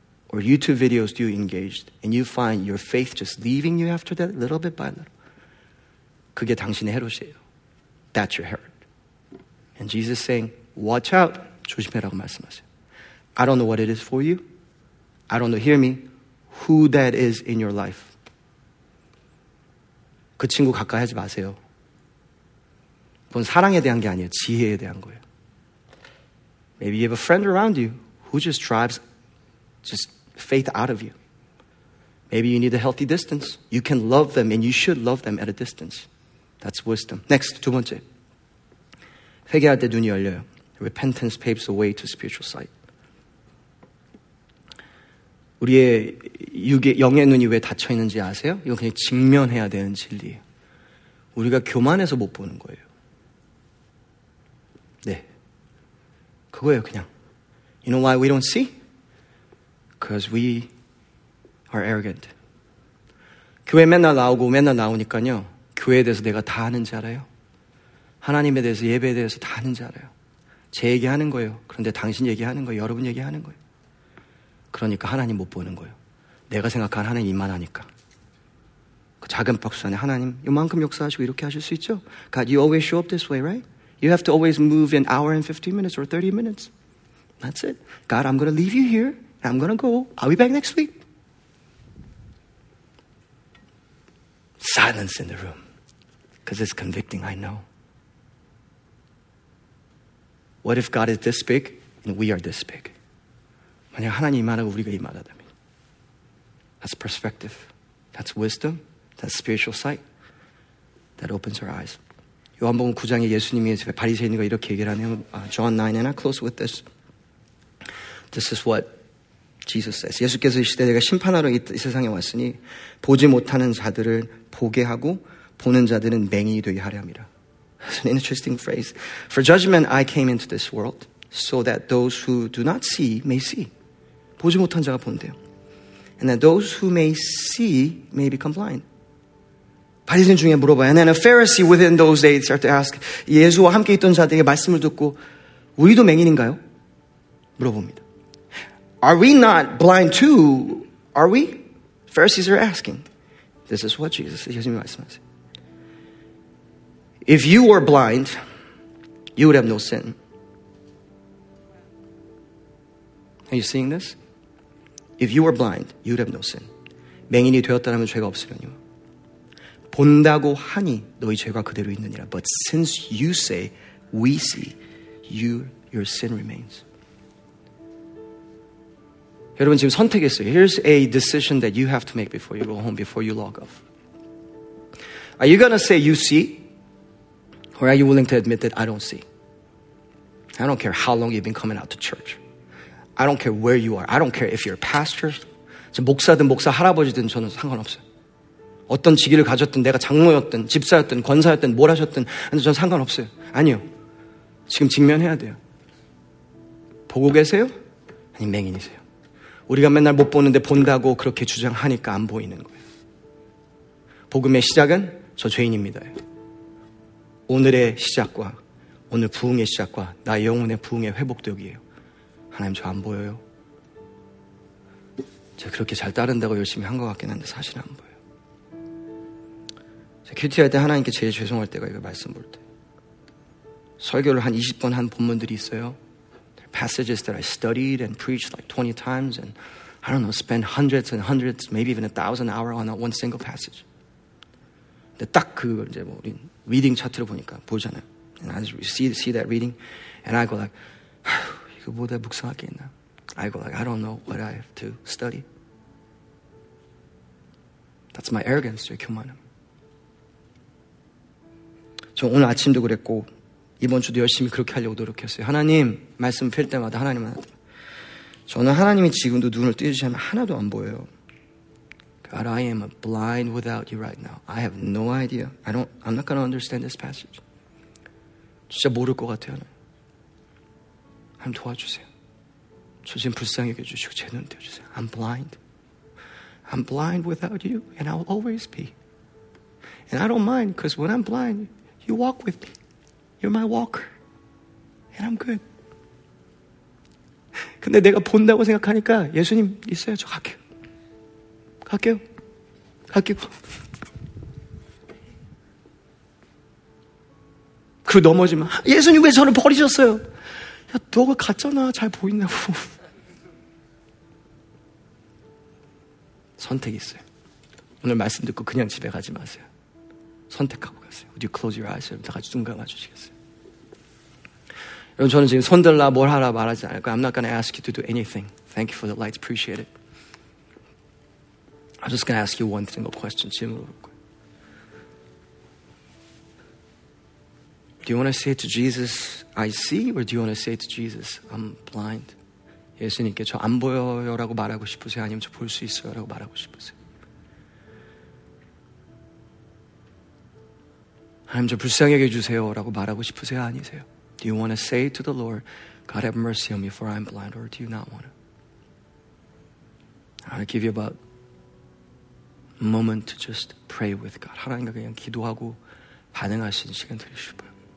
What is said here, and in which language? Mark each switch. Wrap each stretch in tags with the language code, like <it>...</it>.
<en>or YouTube videos do you engage, and you find your faith just leaving you after that, little bit by little,</en> <ko>그게 당신의 헤롯이에요.</ko> <en>That's your hurt. And Jesus saying, watch out,</en> <ko>조심해라고 말씀하세요.</ko> <en>I don't know what it is for you. I don't know, hear me, who that is in your life.</en> <ko>그 친구 가까이 하지 마세요. 그건 사랑에 대한 게 아니에요. 지혜에 대한 거예요.</ko> <en>Maybe you have a friend around you who just drives just faith out of you. Maybe you need a healthy distance. You can love them and you should love them at a distance. That's wisdom. Next,</en> <ko>두 번째. 회개할 때 눈이 열려요.</ko> <en>Repentance paves the way to spiritual sight.</en> <ko>우리의 육의, 영의 눈이 왜 닫혀 있는지 아세요? 이건 그냥 직면해야 되는 진리예요. 우리가 교만해서 못 보는 거예요. 네. 그거예요, 그냥.</ko> <en>You know why we don't see? Because we are arrogant.</en> <ko>교회 맨날 나오고 맨날 나오니까요. 교회에 대해서 내가 다 아는지 알아요? 하나님에 대해서, 예배에 대해서 다 아는지 알아요? 제 얘기하는 거예요. 그런데 당신 얘기하는 거예요. 여러분 얘기하는 거예요. 그러니까 하나님 못 보는 거예요. 내가 생각한 하나님 이만하니까. 그 작은 박수 안에 하나님 이만큼 역사하시고 이렇게 하실 수 있죠?</ko> <en>God, you always show up this way, right? You have to always move an hour and 15 minutes or 30 minutes. That's it. God, I'm going to leave you here. I'm going to go. I'll be back next week. Silence in the room. Because it's convicting, I know. What if God is this big and we are this big?</en> <ko>만약 하나님 이만하고 우리가 이만하다면.</ko> <en>That's perspective. That's wisdom. That's spiritual sight. That opens our eyes.</en> <ko>요한복음 9장에 예수님이 바리새인과 이렇게 얘기를 하네요.</ko> <en>John 9, and I close with this. This is what Jesus says.</en> <ko>예수께서 이 시대 내가 심판하러 이 세상에 왔으니 보지 못하는 자들을 보게 하고 보는 자들은 맹인이 되게 하려 합니다.</ko> <en>It's an interesting phrase. For judgment I came into this world so that those who do not see may see.</en> <ko>보지 못한 자가 본대요.</ko> <en>And that those who may see may become blind.</en> <ko>바리새인 중에 물어봐요.</ko> <en>And then a Pharisee within those days start to ask,</en> <ko>예수와 함께 있던 자들에게 말씀을 듣고 우리도 맹인인가요? 물어봅니다.</ko> <en>Are we not blind too? Are we? Pharisees are asking. This is what Jesus says.</en> <ko>예수님 말씀하세요.</ko> <en>If you were blind, you would have no sin. Are you seeing this? If you were blind, you would have no sin.</en> <ko>맹인이 되었다면 죄가 없으려니와. 본다고 하니 너희 죄가 그대로 있느니라.</ko> <en>But since you say, we see, your sin remains.</en> <ko>여러분 지금 선택했어요.</ko> <en>Here's a decision that you have to make before you go home, before you log off. Are you going to say you see? Or are you willing to admit that I don't see? I don't care how long you've been coming out to church. I don't care where you are. I don't care if you're a pastor.</en> <ko>목사든 목사 할아버지든 저는 상관없어요. 어떤 직위를 가졌든 내가 장로였든 집사였든 권사였든 뭘 하셨든 저는 상관없어요. 아니요. 지금 직면해야 돼요. 보고 계세요? 아니 맹인이세요. 우리가 맨날 못 보는데 본다고 그렇게 주장하니까 안 보이는 거예요. 복음의 시작은 저 죄인입니다. 오늘의 시작과 오늘 부흥의 시작과 나 영혼의 부흥의 회복도 여기예요. 하나님 저 안 보여요. 제가 그렇게 잘 따른다고 열심히 한 것 같긴 한데 사실 안 보여요. 제가 큐티할 때 하나님께 제일 죄송할 때가 이거 말씀 볼 때. 설교를 한 20번 한 본문들이 있어요.</ko> <en>Passages that I studied and preached like 20 times and I don't know, spend hundreds and hundreds, maybe even 1,000 hours on one single passage.</en> <ko>근데 딱 그 이제 뭐 우리 reading 차트를 보니까 보잖아요.</ko> <en>And I just see that reading and I go like,</en> <ko>이거 뭐다 묵상할 게 있나?</ko> <en>I go like, I don't know what I have to study. That's my arrogance,</en> <ko>제 교만함. 저 오늘 아침도 그랬고 이번 주도 열심히 그렇게 하려고 노력했어요. 하나님 말씀 필 때마다 하나님한테 저는 하나님이 지금도 눈을 뜨지 않으면 하나도 안 보여요.</ko> <en>God, I am blind without you right now. I have no idea. I'm not going to understand this passage.</en> <ko>진짜 모를 것 같아요. 하나님 도와주세요. 저 지금 불쌍히 여겨주시고 제 눈 떼어주세요.</ko> <en>I'm blind. I'm blind without you and I will always be. And I don't mind because when I'm blind, you walk with me. You're my walker, and I'm good.</en> <ko>근데 내가 본다고 생각하니까 예수님 있어요. 저 갈게요. 갈게요. 갈게요. 그리고 넘어지면 예수님 왜 저를 버리셨어요? 야, 너가 갔잖아. 잘 보인다고. 선택이 있어요. 오늘 말씀 듣고 그냥 집에 가지 마세요. 선택하고 가세요.</ko> <en>Would you close your eyes?</en> <ko>다 같이 눈 감아주시겠어요? 여러분, 저는 지금 손 들라 뭘 하라 말하지 않을 거예요.</ko> <en>I'm not going to ask you to do anything. Thank you for the light. Appreciate it. I'm just going to ask you one single question.</en> <ko>질문을 볼 거예요.</ko> <en>Do you want to say to Jesus, I see? Or do you want to say to Jesus, I'm blind?</en> <ko>예수님께 저 안 보여요 라고 말하고 싶으세요? 아니면 저 볼 수 있어요 라고 말하고 싶으세요? 하나님 저 불쌍하게 해주세요 라고 말하고 싶으세요? 아니세요?</ko> <en>Do you want to say to the Lord, God have mercy on me for I am blind, or do you not want to? I'll give you about a moment to just pray with God.</en> <ko>하나님과 그냥 기도하고 반응하시는 시간 드리시고요.</ko>